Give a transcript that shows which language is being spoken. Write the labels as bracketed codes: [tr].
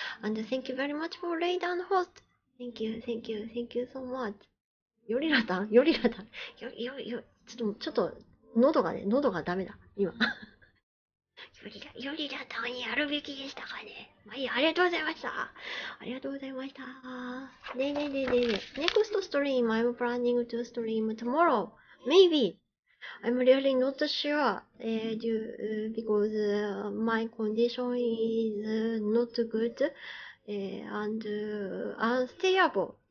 [en] And thank you very much for raid and host. Thank you, thank you, thank you so much. [ja] よりらたん、よりらたん。ちょっと、喉がね、喉がダメだ、今。よりらたんやるべきでしたかね。まあいいや、ありがとうございました。ありがとうございました。ねえねえねえねえ、 [en] Next stream, I'm planning to stream tomorrow. Maybe. I'm really not sure, because my condition is not good, and unstable.